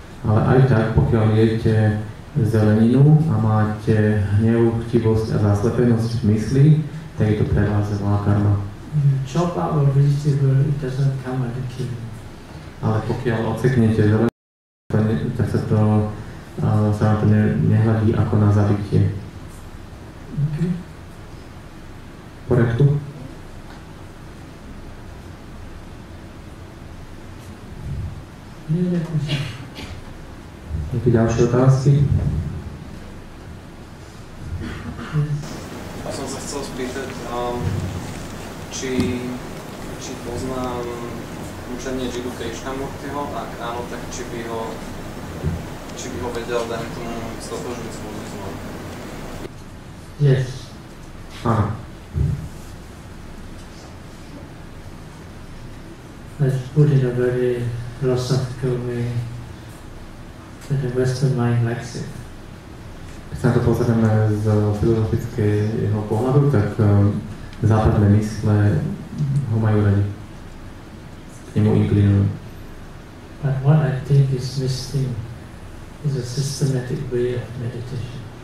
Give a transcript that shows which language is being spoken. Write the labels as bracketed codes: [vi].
[sk] Ale aj tak, pokiaľ jedete zeleninu a máte hnev, chtivosť a zaslepenosť v mysli, tak je to pre vás zlá karma. [en] Chop up a vegetable, it doesn't come under killing. [sk] Ale pokiaľ odseknete zeleninu, tak sa to sa vám to nehľadí ako na zabitie. [en] Okay. [sk] Poriadku? Nejaké ďalšie otázky? Ja som sa chcel spýtať, či poznám učenie Jiddu Krishnamurtiho, ak áno, tak či by ho vedel dať tomu stotožiť s buddhizmom? [en] Yes. [sk] Áno. [en] Let's put it a very philosophical way that the Western mind likes it. [sk] Keď sa to pozrieme z filozofického pohľadu, tak západné mysle ho majú radi. K nemu inklinujú. [en] But what I think is missing is a systematic way of meditation.